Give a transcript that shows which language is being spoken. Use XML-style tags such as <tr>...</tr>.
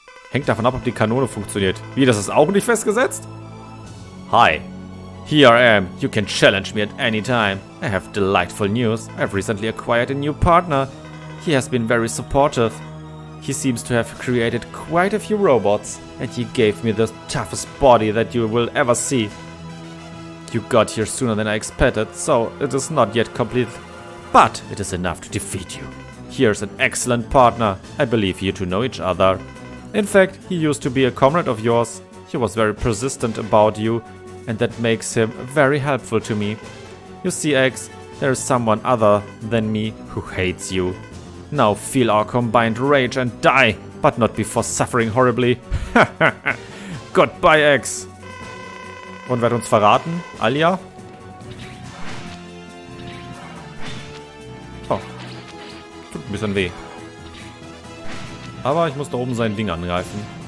<de>Hängt davon ab, ob die Kanone funktioniert. Wie, das ist auch nicht festgesetzt?</de> <en>Hi. Here I am. You can challenge me at any time. I have delightful news. I've recently acquired a new partner. He has been very supportive. He seems to have created quite a few robots. And he gave me the toughest body that you will ever see. You got here sooner than I expected, so it is not yet complete. But it is enough to defeat you. Here's an excellent partner. I believe you two know each other. In fact, he used to be a comrade of yours. He was very persistent about you, and that makes him very helpful to me. You see, X, there is someone other than me who hates you. Now feel our combined rage and die! but not before suffering horribly. Goodbye, X.</en> <de>Und wer hat uns verraten? Alia? Oh. Tut ein bisschen weh. Aber ich muss da oben sein Ding angreifen.</de>